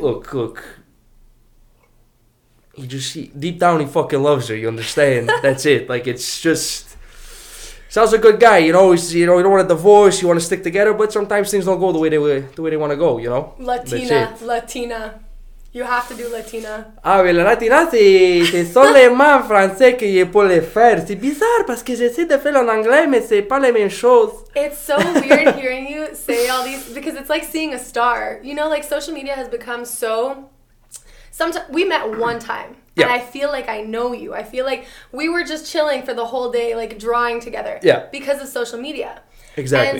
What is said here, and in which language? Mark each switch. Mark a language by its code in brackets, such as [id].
[en] Look. Deep down, he fucking loves her. You understand? That's it. Like, it's just... Sal's a good guy, you know? He's, you know, you don't want a divorce. You want to stick together. But sometimes things don't go the way they want to go, you know? Latina. You have to do Latina. [fr] Ah, la Latina, c'est seulement français que je peux le faire. C'est bizarre parce que j'essaie de faire en anglais, mais c'est pas les mêmes choses. [en] It's so weird hearing you say all these, because it's like seeing a star. You know, like social media has become so... Sometimes we met one time, yeah. And I feel like I know you. I feel like we were just chilling for the whole day, like drawing together. Yeah. Because of social media. Exactly.